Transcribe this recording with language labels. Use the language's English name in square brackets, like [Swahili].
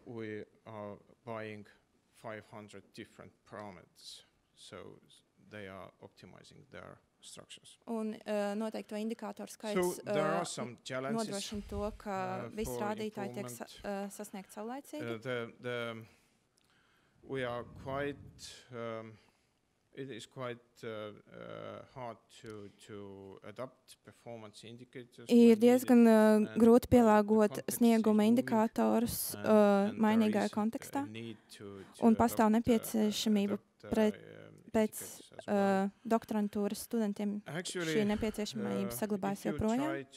[English] we are buying 500 different parameters, so they are optimizing their structures. [Latvian] Un noteikti to indikātoru skaits nodrošina to, ka visi rādītāji tiek sasniegt savlaicīgi. [English] We are quite it is quite hard to adapt performance indicators. [Latvian] Ir diezgan grūti pielāgot snieguma indikatorus mainīgajā kontekstā. Un pastāv nepieciešamība pēc doktorantūras studentiem šī nepieciešamība saglabājas joprojām.